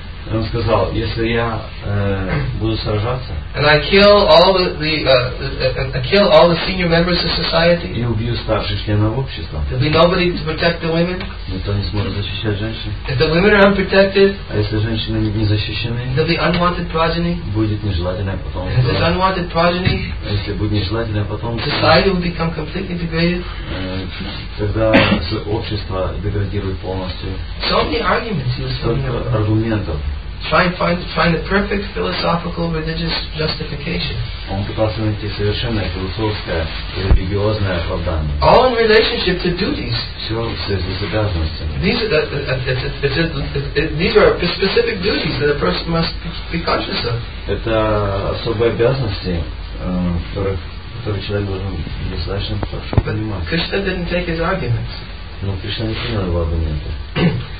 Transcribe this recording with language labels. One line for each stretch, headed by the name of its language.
Russian: и он сказал, если я буду сражаться,
English: and I kill all I kill all the senior members of society,
Russian: и убью старших членов общества,
English: there'll be nobody to protect the women.
Russian: Никто не сможет защищать женщин.
English: If the women are unprotected,
Russian: а если женщины не защищены,
English: there'll be unwanted progeny.
Russian: Будет нежелательное потомство.
English: And if there's unwanted progeny,
Russian: а если будет нежелательное потомство,
English: society will become completely degraded.
Russian: Тогда общество деградирует полностью.
English: So many arguments.
Russian: Столько аргументов.
English: Trying the perfect philosophical religious justification.
Russian: Он пытался найти совершенное философское религиозное оправдание.
English: All in relationship to duties.
Russian: Все в связи с обязанностями.
English: These are specific duties that a person must be conscious of.
Russian: Это особые обязанности, которые человек должен достаточно хорошо понимать.
English: Кришна didn't take his arguments.
Russian: Но Кришна не принял его аргументы.